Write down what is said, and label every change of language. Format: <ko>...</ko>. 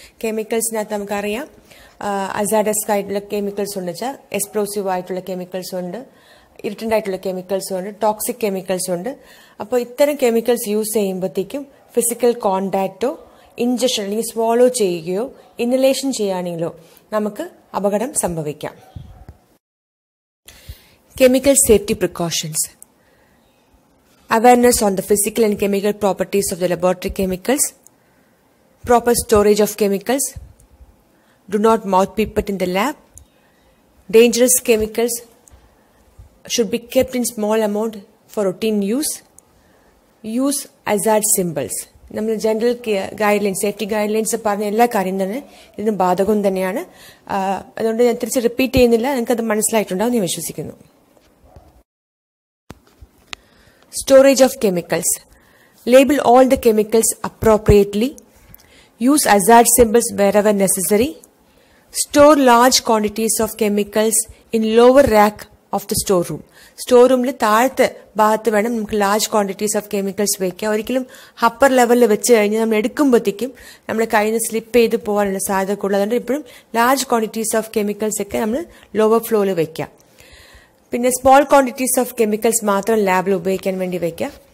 <ml>കെമിക്കൽസിനകത്ത് നമുക്കറിയാം അസാഡസ് ആയിട്ടുള്ള കെമിക്കൽസ് ഉണ്ട്, വെച്ചാൽ എക്സ്പ്ലോസീവ് ആയിട്ടുള്ള കെമിക്കൽസ് ഉണ്ട്, ഇറിറ്റൻ്റ് ആയിട്ടുള്ള കെമിക്കൽസ് ഉണ്ട്, ടോക്സിക് കെമിക്കൽസ് ഉണ്ട്. അപ്പോൾ ഇത്തരം കെമിക്കൽസ് യൂസ് ചെയ്യുമ്പോഴത്തേക്കും ഫിസിക്കൽ കോണ്ടാക്റ്റോ ഇഞ്ചക്ഷൻ അല്ലെങ്കിൽ സ്വാലോ ചെയ്യുകയോ ഇൻഹലേഷൻ ചെയ്യുകയാണെങ്കിലോ നമുക്ക് അപകടം സംഭവിക്കാം.</ml> <en>Chemical safety precautions. Awareness on the physical and chemical properties of the laboratory chemicals. Proper storage of chemicals. Do not mouth pipette in the lab. Dangerous chemicals should be kept in small amount for routine use. Use hazard symbols.</en> <ml>നമ്മൾ general guidelines safety guidelines പറഞ്ഞ എല്ലാ കാര്യം തന്നെ ഇതിന് ബാധകം തന്നെയാണ്. അതുകൊണ്ട് ഞാൻ തിരിച്ച് റിപ്പീറ്റ് ചെയ്യുന്നില്ല, നിങ്ങൾക്കത് മനസ്സിലായിട്ടുണ്ടാവും എന്ന് വിശ്വസിക്കുന്നു.</ml> <en>Storage of chemicals. Label all the chemicals appropriately. Use hazard symbols wherever necessary. Store large quantities of chemicals in lower rack of the storeroom.</en> <ml>സ്റ്റോറൂമിൽ താഴത്തെ ഭാഗത്ത് വേണം നമുക്ക്</ml> <en>large quantities of chemicals</en> <ml>വയ്ക്കാം. ഒരിക്കലും അപ്പർ ലെവലിൽ വെച്ച് കഴിഞ്ഞ് നമ്മൾ എടുക്കുമ്പോഴത്തേക്കും നമ്മുടെ കയ്യിൽ നിന്ന് സ്ലിപ്പ് ചെയ്ത് പോകാനുള്ള സാധ്യത കൂടുതൽ. അതുകൊണ്ട് എപ്പോഴും</ml> <en>large quantities of chemicals</en> <ml>ഒക്കെ നമ്മൾ ലോവർ ഫ്ലോറിൽ വയ്ക്കാം. പിന്നെ</ml> <en>small quantities of chemicals</en> <ml>മാത്രം ലാബിൽ ഉപയോഗിക്കാൻ വേണ്ടി വയ്ക്കാം.</ml>